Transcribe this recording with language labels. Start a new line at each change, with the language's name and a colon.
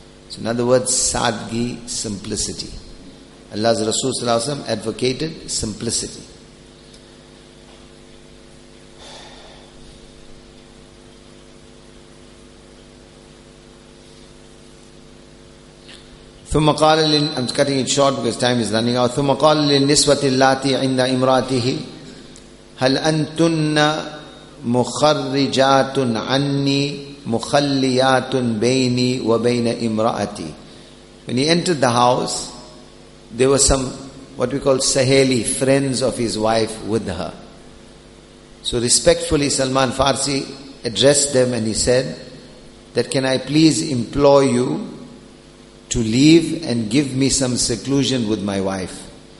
English: So in other words, sadgi, simplicity. Allah's Rasul sallallahu alaihi wasallam advocated simplicity.
Arabic: ثم قال لن
English: I'm cutting it short because time is running out.
Arabic: ثم قال للنسوة اللاتي عند امراته هل انتن مخرجات عني مخليات بيني وبين امراتي.
English: When he entered the house, there were some what we call saheli, friends of his wife with her. So respectfully, Salman Farsi addressed them and he said that, can I please implore you to leave and give me some seclusion with my wife.